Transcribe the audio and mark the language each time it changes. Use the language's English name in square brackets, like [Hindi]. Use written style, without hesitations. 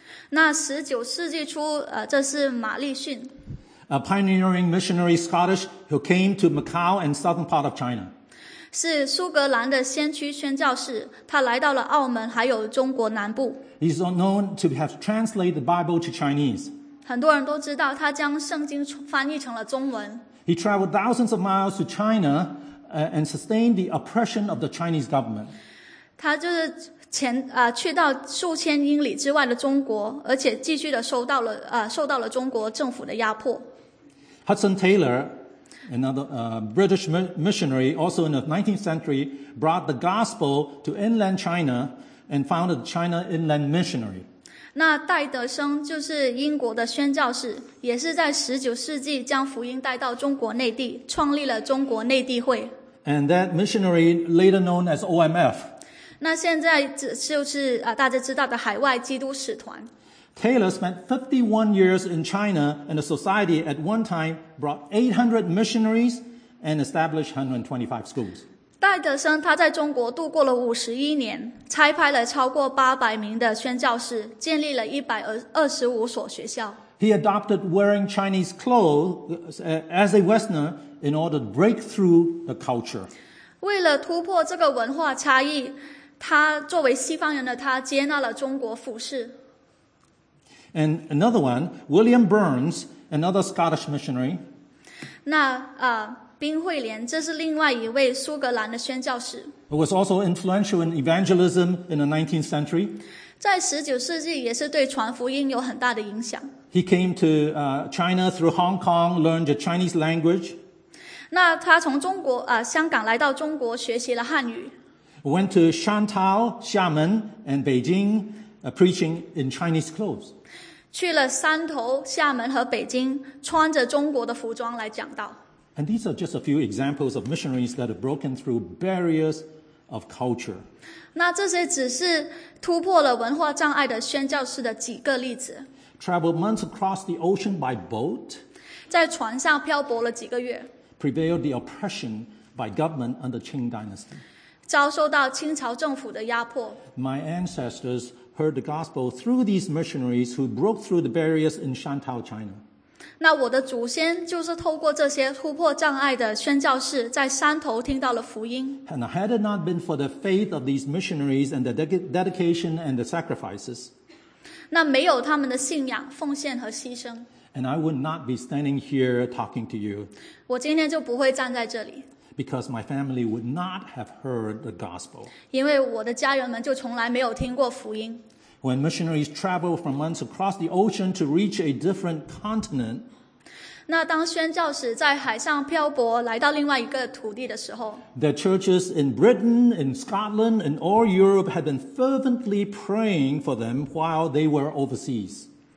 [Chinese] 那十九世纪初，这是玛丽逊。 [English] A pioneering missionary Scottish who came to Macau and southern part of China. [Chinese] 是苏格兰的先驱宣教士，他来到了澳门还有中国南部。 [English] He's known to have translated the Bible to Chinese. [Chinese] 很多人都知道他将圣经翻译成了中文。 [English] He traveled thousands of miles to China and sustained the oppression of the Chinese government. [Chinese] 他就是去到数千英里之外的中国，而且继续的受到了中国政府的压迫。 [English] Hudson Taylor, another British missionary, also in the 19th century, brought the gospel to inland China and founded China Inland Missionary. [Chinese] 那戴德生就是英国的宣教士，也是在19世纪将福音带到中国内地，创立了中国内地会。 [English] And that missionary, later known as OMF. [Chinese] 那现在就是大家知道的海外基督使团。 [English] Taylor spent 51 years in China and the society at one time brought 800 missionaries and established 125 schools. [Chinese] 戴德生他在中国度过了51年，差派了超过800名的宣教士，建立了125所学校。 [English] He adopted wearing Chinese clothes as a Westerner in order to break through the culture. [Chinese] 为了突破这个文化差异，他作为西方人的他接纳了中国服饰。 [English] And another one, William Burns, another Scottish missionary. [Chinese] 那冰慧莲，这是另外一位苏格兰的宣教士。 [English] It was also influential in evangelism in the 19th century. [Chinese] 在19世纪也是对传福音有很大的影响。 [English] He came to China through Hong Kong, learned the Chinese language. [Chinese] 那他从中国香港来到中国学习了汉语。 [English] Went to Shantou, Xiamen, and Beijing, preaching in Chinese clothes. [Chinese] 去了汕头、厦门和北京，穿着中国的服装来讲道。 [English] And these are just a few examples of missionaries that have broken through barriers of culture. [Chinese] 那这些只是突破了文化障碍的宣教士的几个例子。 [English] Traveled months across the ocean by boat. [Chinese] 在船上漂泊了几个月。 [English] Prevailed the oppression by government under Qing Dynasty. [Chinese] 遭受到清朝政府的压迫。 [English] My ancestors heard the gospel through these missionaries who broke through the barriers in Shantou, China. [Chinese] 那我的祖先就是透过这些突破障碍的宣教士，在山头听到了福音。 [English] And had it not been for the faith of these missionaries and the dedication and the sacrifices, [Chinese] 那没有他们的信仰、奉献和牺牲。 [English] And I would not be standing here talking to you. [Chinese] 我今天就不会站在这里。 [English] Because my family would not have heard the gospel. [Chinese] 因为我的家人们就从来没有听过福音。 [English] When missionaries travel for months across the ocean to reach a different continent, [Chinese] 那当宣教士在海上漂泊来到另外一个土地的时候， [English] the churches in Britain, in Scotland, in all Europe had been fervently praying for them while they were overseas.